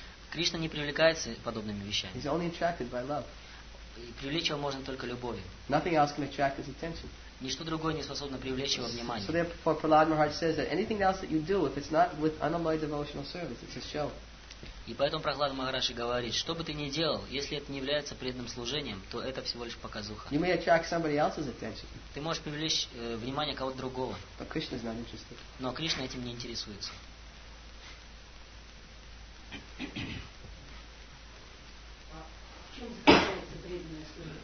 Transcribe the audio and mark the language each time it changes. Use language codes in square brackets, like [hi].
[ru] Кришна не привлекается подобными вещами. [en] He's only attracted by love. [ru] И привлечь его можно только любовью. [en] Nothing else can attract his attention. [ru] Ничто другое не способно привлечь его внимание. [en] So therefore, Prahlad Maharaj says that anything else that you do, if it's not with unalloyed devotional service, it's a show. [ru] И поэтому Прахлад Махараши говорит, что бы ты ни делал, если это не является преданным служением, то это всего лишь показуха. [en] You may attract somebody else's attention. [ru] Ты можешь привлечь внимание кого-то другого. [en] But Krishna is not interested. [ru] Но Кришна этим не интересуется. Чем заключается преданное служение?